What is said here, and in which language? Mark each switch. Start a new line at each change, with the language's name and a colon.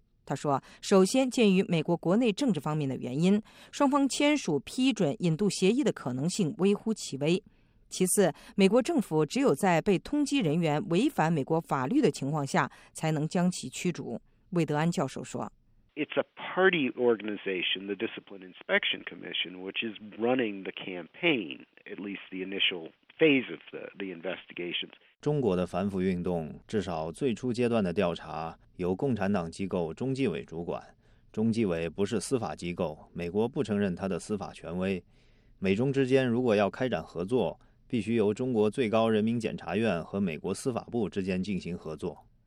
Chinese: 他说，首先鉴于美国国内政治方面的原因，双方签署批准引渡协议的可能性微乎其微。其次，美国政府只有在被通缉人员违反美国法律的情况下才能将其驱逐。魏德安教授说，
English: It's a party organization, the Discipline Inspection Commission, which is running the campaign, at least the initial phase of the investigations.
Chinese: 中国的反腐运动至少最初阶段的调查由共产党机构中纪委主管。中纪委不是司法机构，美国不承认它的司法权威。美中之间如果要开展合作，必须由中国最高人民检察院和美国司法部之间进行合作。